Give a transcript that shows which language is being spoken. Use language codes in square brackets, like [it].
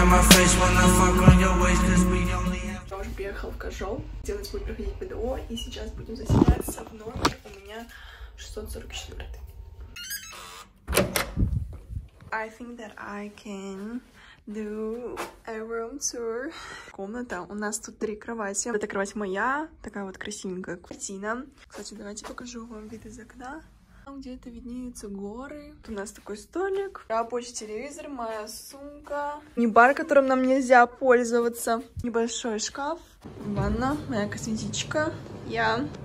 [ru] Я уже приехала в Кожол, делать будет проходить ПДО, и сейчас будем заселяться в номер. У меня 644. [en] I think that I can do a room tour. [ru] Комната. У нас тут три кровати. Эта кровать моя, такая вот красивенькая картина. Кстати, давайте покажу вам вид из окна. Там где-то виднеются горы. Тут у нас такой столик. Рабочий телевизор, моя сумка. Мини-бар, которым нам нельзя пользоваться. Небольшой шкаф. Ванна, моя косметичка. Я.